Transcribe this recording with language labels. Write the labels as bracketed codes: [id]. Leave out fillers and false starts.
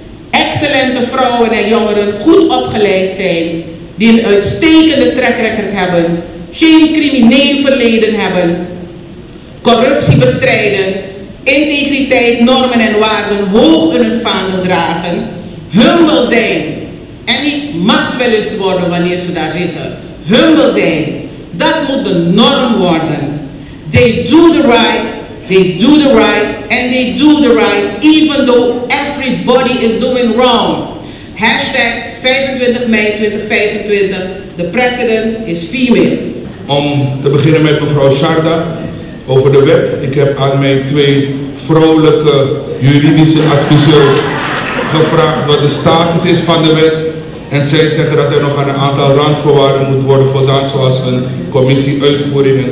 [nl] Excellente vrouwen en jongeren goed opgeleid zijn, die een uitstekende track record hebben, geen crimineel verleden hebben, corruptie bestrijden, integriteit, normen en waarden hoog in hun vaandel dragen, humbel zijn en niet machtswellust worden wanneer ze daar zitten. Humbel zijn, dat moet de norm worden. [en] They do the right, they do the right, and they do the right, even though everybody is doing wrong. Hashtag [nl] 25 mei 2025, [en] the president is female. [nl] Om te beginnen met mevrouw Sharda over de wet. Ik heb aan mijn twee vrouwelijke juridische adviseurs gevraagd wat de status is van de wet. En zij zeggen dat er nog aan een aantal randvoorwaarden moet worden voldaan, zoals een commissie uitvoering.